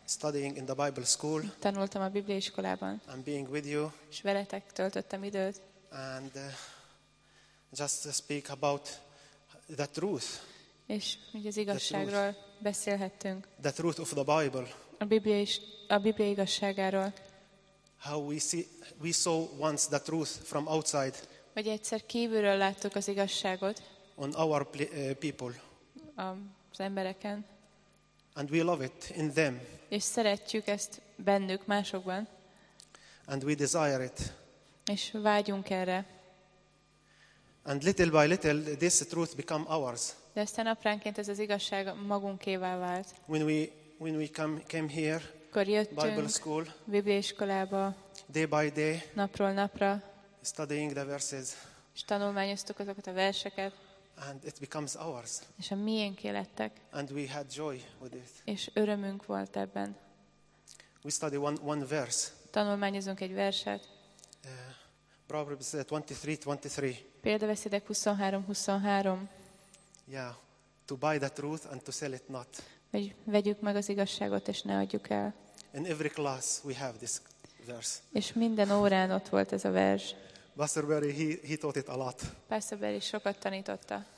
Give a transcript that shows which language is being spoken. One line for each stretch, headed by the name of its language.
English: Studying in the Bible school.
Hungarian: Tanultam a Biblia iskolában.
English: And being with you.
Hungarian: És veletek töltöttem időt.
English: And just speak about the truth.
Hungarian: És így az igazságról beszélhettünk.
English: The truth of the Bible.
Hungarian: A Biblia igazságáról.
English: How we saw once the truth from outside.
Hungarian: Vagy egyszer kívülről láttuk az igazságot.
English: On our people.
Hungarian: Az embereken.
English: And we love it in them.
Hungarian: És szeretjük ezt bennük, másokban.
English: And we desire it.
Hungarian: És vágyunk erre.
English: And little by little this truth become ours.
Hungarian: De aztán apránként ez az igazság magunkévá vált.
English: When we came here,
Hungarian: akkor jöttünk
English: Bible school,
Hungarian: Biblia iskolába,
English: day by day,
Hungarian: napról napra,
English: studying the verses,
Hungarian: és tanulmányoztuk azokat a verseket,
English: and it becomes ours,
Hungarian: és a miénké lettek,
English: and we had joy with it,
Hungarian: és örömünk volt ebben.
English: We study one verse,
Hungarian: tanulmányozunk egy verset,
English: Proverbs 23:23.
Hungarian: Példabeszédek 23:23.
English: Yeah, to buy the truth and to sell it not.
Hungarian: Vegyük meg az igazságot és ne adjuk el.
English: In every class we have this verse.
Hungarian: És minden órán ott volt ez a vers.
English: Pastor Barry, he taught it a lot.
Hungarian: Pastor Barry sokat tanította.